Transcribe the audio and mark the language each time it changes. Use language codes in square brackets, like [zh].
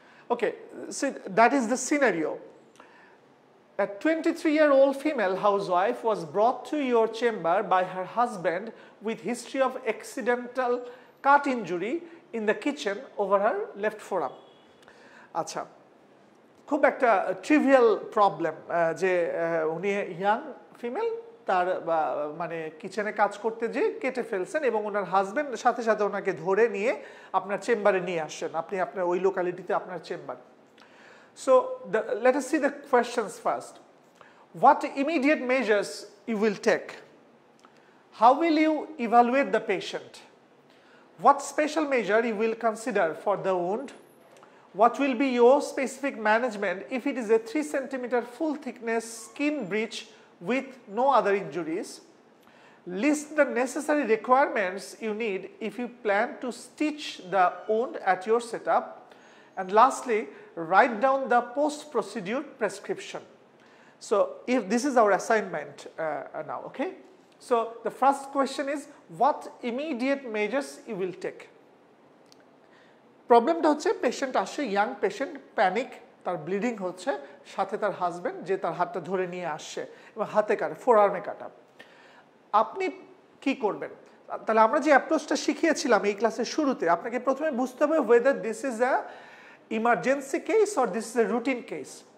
[en] Okay, so that is the scenario. A 23 year old female housewife was brought to your chamber by her husband with history of accidental cut injury in the kitchen over her left forearm. [bn] Acha, খুব একটা trivial problem যে উনি young female, তার মানে কিচেনে কাজ করতে যে কেটে ফেলছেন এবং ওনার হাজবেন্ড সাথে সাথে ওনাকে ধরে নিয়ে আপনার চেম্বারে নিয়ে আসছেন, আপনি আপনার ওই লোকালিটিতে আপনার chamber. [en] So the let us see the questions first, what immediate measures you will take, how will you evaluate the patient, what special measure you will consider for the wound, what will be your specific management if it is a 3 cm full thickness skin breach with no other injuries, list the necessary requirements you need if you plan to stitch the wound at your setup, and lastly write down the post procedure prescription. So if this is our assignment now, okay, so the first question is what immediate measures you will take. [bn] প্রবলেমটা হচ্ছে patient আসে, young patient, panic, তার bleeding হচ্ছে, সাথে তার husband যে তার হাতটা ধরে নিয়ে আসছে এবং হাতে কাটে, ফোরআর্মে কাটা, আপনি কি করবেন? তাহলে আমরা যে অ্যাপ্রোচটা শিখিয়েছিলাম এই ক্লাসের শুরুতে, আপনাকে প্রথমে বুঝতে হবে [en] Whether this is a emergency case or this is a routine case.